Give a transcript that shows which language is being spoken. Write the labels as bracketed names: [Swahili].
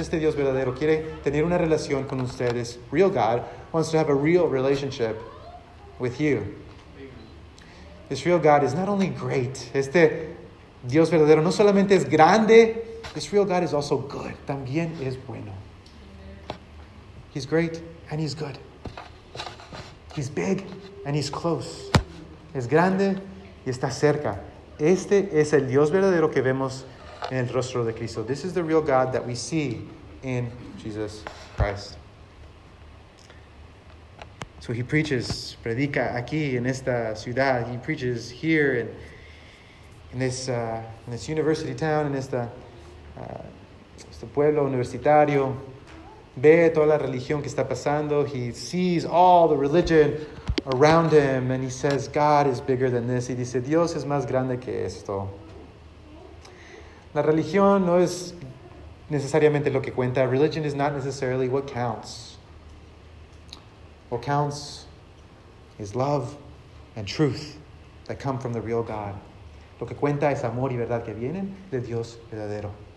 [Spanish] Este Dios verdadero quiere tener una relación con ustedes. [English] Real God wants to have a real relationship with you. This real God is not only great. [Spanish] Este Dios verdadero no solamente es grande. [English] This real God is also good. [Spanish] También es bueno. [English] He's great and he's good. He's big and he's close. [Spanish] Es grande y está cerca. Este es el Dios verdadero que vemos en el rostro de Cristo. [English] This is the real God that we see in Jesus Christ. So he preaches, [Spanish] predica aquí en esta ciudad. [English] He preaches here in this university town, in [Spanish] esta este pueblo universitario. Ve toda la religión que está pasando. [English] He sees all the religion around him and he says, God is bigger than this. [Spanish] Y dice, Dios es más grande que esto. La religión no es necesariamente lo que cuenta. [English] Religion is not necessarily what counts. What counts is love and truth that come from the real God. [Spanish] Lo que cuenta es amor y verdad que vienen de Dios verdadero.